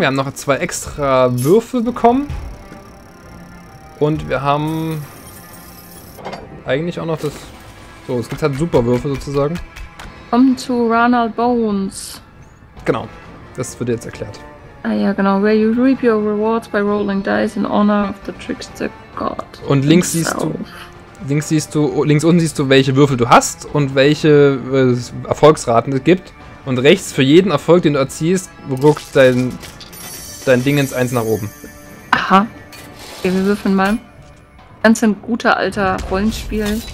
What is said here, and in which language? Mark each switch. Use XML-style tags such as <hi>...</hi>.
<de>Wir haben noch 2 extra Würfel bekommen. Und wir haben eigentlich auch noch das. So, es gibt halt Superwürfe sozusagen.</de> <en>Come to Ronald Bones.</en> <de>Genau, das wird jetzt erklärt. Ah ja, genau.</de> <en>Where you reap your rewards by rolling dice in honor of the trickster god.</en> <de>Und links siehst du. Links unten siehst du, welche Würfel du hast und welche Erfolgsraten es gibt. Und rechts, für jeden Erfolg, den du erzielst, ruckt dein Dingens eins nach oben. Aha. Okay, wir würfeln mal. Ganz ein guter alter Rollenspiel.</de>